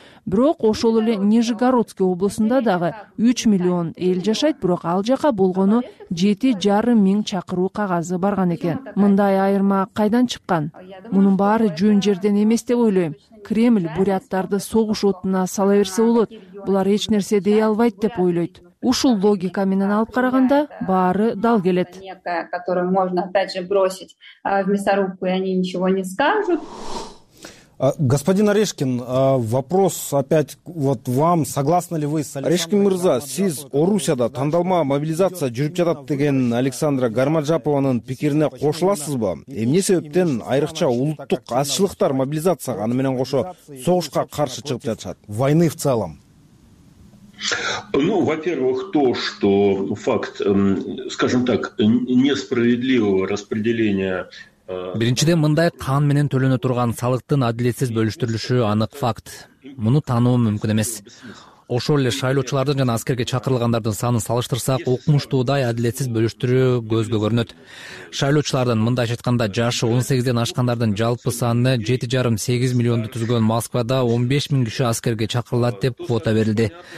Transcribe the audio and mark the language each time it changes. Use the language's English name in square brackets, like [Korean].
[Kyrgyz] Бирок ошол эле Нижегородский облусунда дагы 3 000 000 эл жашайт, бирок ал жака болгону 7 500 чакыруу кагазы барган экен. Мындай айырма кайдан чыккан? Мунун баары жөн жерден эмес деп ойлойм. Кремль буряттарды согуш отуна сала берсе болот, булар эч нерсе дей албайт деп ойлойт. Ушул логика менен алып караганда баары дал келет. [Russian] Которую можно опять же бросить в мясорубку, и они ничего не скажут. Господин Орешкин, вопрос опять вот вам. Согласны ли вы с Александром? [Kyrgyz] Орешкин Мырза, сиз Орусияда тандалма мобилизация жүрүп жатат деген Александра Гармаджапованын пикирине кошуласызбы? Эмне себептен айрыкча улуттук азчылыктар мобилизацияга аны менен кошо согушка каршы чыгып жатышат? [Russian] Войны в целом. Ну, во-первых, то, что факт, скажем так, несправедливого распределения. [Kyrgyz] Биринчиден, мындай кан менен төлөнө турган салыктын адилетсиз бөлүштүрүлүшү анык факт. Муну тануу мүмкүн эмес. Ошол эле шайлоочулардын жана аскерге чакырылгандардын санын салыштырсак, укмуштуудай адилетсиз бөлүштүрүү көзгө көрүнөт. Шайлоочулардын, мындайча айтканда, жашы 18 ашкандардын жалпы саны 7.5-8 миллионду түзгөн Москвада 15 000 киши аскерге чакырылат деп квота берилди.